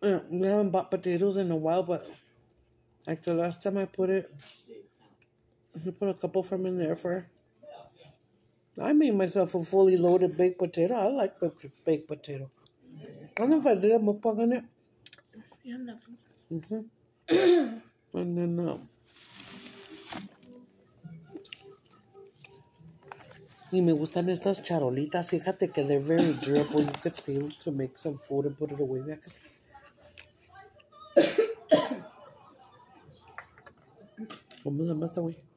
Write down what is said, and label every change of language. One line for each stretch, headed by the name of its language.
English: We haven't bought potatoes in a while, but like the last time I put it, I put a couple of them in there for. I made myself a fully loaded baked potato. I like baked potato. I don't know if I did a mukbang on it. Yeah, nothing. And then,
Spanish: Y me gustan estas charolitas. Fíjate que
English: they're very durable. You could steal to make some food and put it away. Yeah, because.
Spanish: Vamos a matar, güey.